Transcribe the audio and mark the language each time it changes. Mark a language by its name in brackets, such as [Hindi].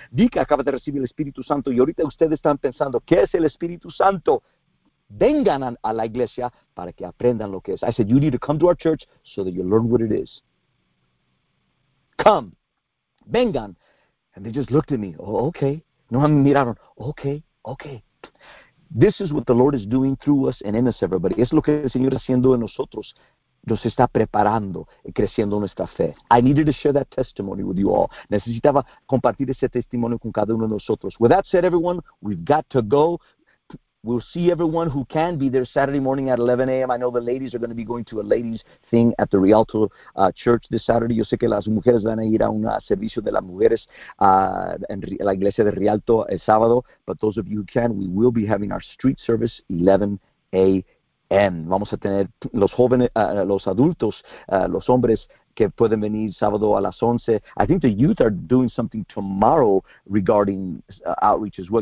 [Spanish] Vika acaba de recibir el Espíritu Santo. Y ahorita ustedes están pensando, ¿qué es el Espíritu Santo? Vengan a la iglesia para que aprendan lo que es. [English] I said, you need to come to our church so that you learn what it is. Come. [Spanish] Vengan. [English] And they just looked at me. Oh, okay. [Spanish] No, me miraron. [English] Okay, okay. This is what the Lord is doing through us and in us, everybody. [Spanish] Es lo que el Señor está haciendo en nosotros. Nos está preparando y creciendo nuestra fe. [English] I needed to share that testimony with you all. [Spanish] Necesitaba compartir ese testimonio con cada uno de nosotros. [English] With that said, everyone, we've got to go. We'll see everyone who can be there Saturday morning at 11 a.m. I know the ladies are going to be going to a ladies' thing at the Rialto Church this Saturday. [Spanish] Yo sé que las mujeres van a ir a un servicio de las mujeres en la iglesia de Rialto el sábado. [English] But those of you who can, we will be having our street service 11 a.m. [Spanish] Vamos a tener los jóvenes, los adultos, los hombres que pueden venir sábado a las 11. [English] I think the youth are doing something tomorrow regarding outreach as well.